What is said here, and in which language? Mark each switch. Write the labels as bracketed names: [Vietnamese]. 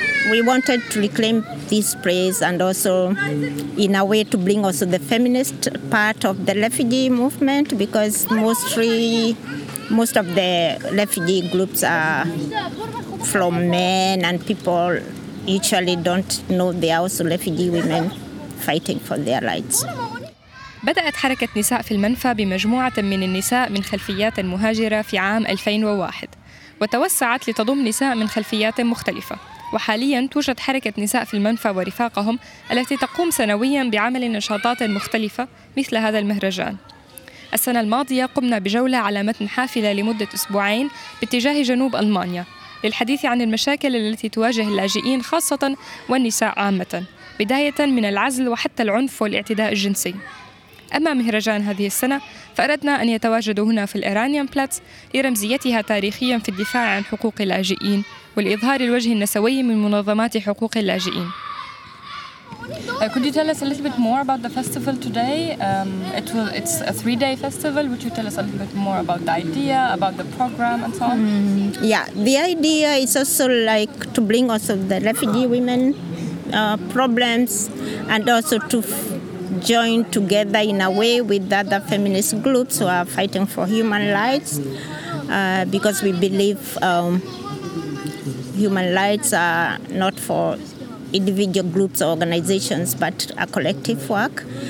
[English] we wanted to reclaim this place and also in a way to bring also the feminist part of the refugee movement because mostly most of the refugee groups are from men, and people usually don't know there are also refugee women fighting for their rights. [Arabic] بدأت حركة نساء في المنفى بمجموعة من النساء من خلفيات مهاجرة في عام 2001 وتوسعت لتضم نساء من خلفيات مختلفة. وحالياً توجد حركة نساء في المنفى ورفاقهم التي تقوم سنوياً بعمل نشاطات مختلفة مثل هذا المهرجان. السنة الماضية قمنا بجولة على متن حافلة لمدة أسبوعين باتجاه جنوب ألمانيا للحديث عن المشاكل التي تواجه اللاجئين خاصة والنساء عامة، بداية من العزل وحتى العنف والاعتداء الجنسي. أما مهرجان هذه السنة فأردنا أن يتواجد هنا في الإيرانيان بلاتس لرمزيتها تاريخياً في الدفاع عن حقوق اللاجئين والإظهار الوجه النسوي من منظمات حقوق اللاجئين. [English] Could you tell us a little bit more about the festival today? It's a three-day festival. Would you tell us a little bit more about the idea, about the program and so on? Yeah, the idea is also like to bring also the refugee women problems and also to join together in a way with other feminist groups who are fighting for human rights because we believe human rights are not for individual groups or organizations but a collective work.